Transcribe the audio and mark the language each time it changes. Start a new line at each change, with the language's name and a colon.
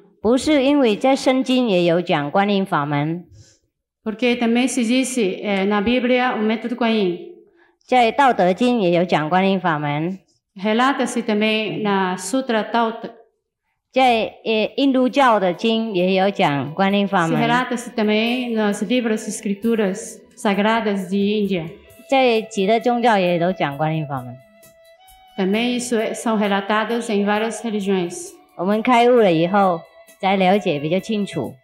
Chinese: 不是因为在圣经也有讲观音法门。
Portuguese: Porque também se diz na Bíblia o método Kuan Yin.
Chinese: 在道德经也有讲观音法门。
Portuguese: Relata-se também na Sutra Tao Te.
Chinese: 在印度教的经也有讲观音法门。
Portuguese: Relata-se também nas livros e escrituras sagradas de Índia.
Chinese: 在几个宗教也都讲观音法门。
Portuguese: Também isso são relatados em várias religiões.
Chinese: 我们开悟了以后, 再了解比较清楚。